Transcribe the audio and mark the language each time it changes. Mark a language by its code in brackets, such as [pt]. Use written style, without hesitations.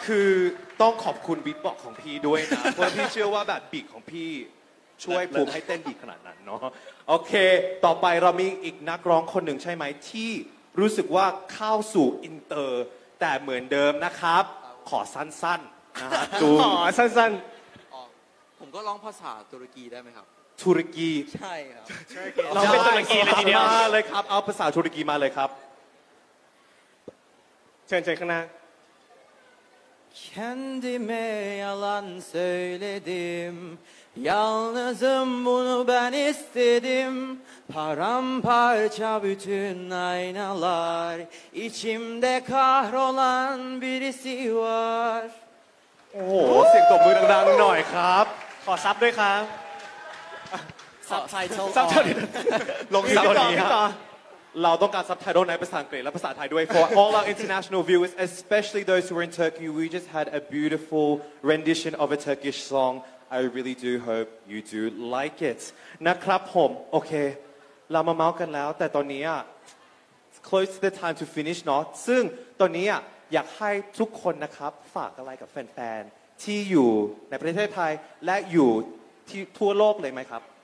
[th] คือต้องขอบคุณบีทบ็อกซ์ของพี่ด้วยนะเพราะพี่เชื่อว่าแบบบีทของพี่ช่วยภูมิให้เต้นดีขนาดนั้นเนาะโอเคต่อไปเรามีอีกนักร้องคนหนึ่งใช่ไหมที่รู้สึกว่าเข้าสู่อินเตอร์แต่เหมือนเดิมนะครับขอสั้นๆนะ ครับขอสั้น ๆผมก็ร้องภาษาตุรกีได้ไหมครับ ตุรกี ใช่ครับเราเป็นตุรกีเลยทีเดียว มาเลยครับเอาภาษาตุรกีมาเลยครับ เชิญๆข้างหน้า [tr] Kendime yalan söyledim Yalnızım bunu ben istedim Paramparça bütün aynalar İçimde kahrolan birisi var [th] โอ้โหเสียงตบมือดังๆหน่อยครับ ขอซับด้วยครับ ซับไทย ลงอีกตอนนี้ครับเราต้องการซับไทยในภาษาอังกฤษและภาษาไทยด้วย [en] For all our international viewers, especially those who are in Turkey, we just had a beautiful rendition of a Turkish song. I really do hope you do like it. [th] นะครับผมโอเคเรามาเมากันแล้วแต่ตอนนี้อ่ะ [en] close to the time to finish [th] เนาะซึ่งตอนนี้อ่ะอยากให้ทุกคนนะครับฝากอะไรกับแฟนๆที่อยู่ในประเทศไทยและอยู่ที่ทั่วโลกเลยไหมครับ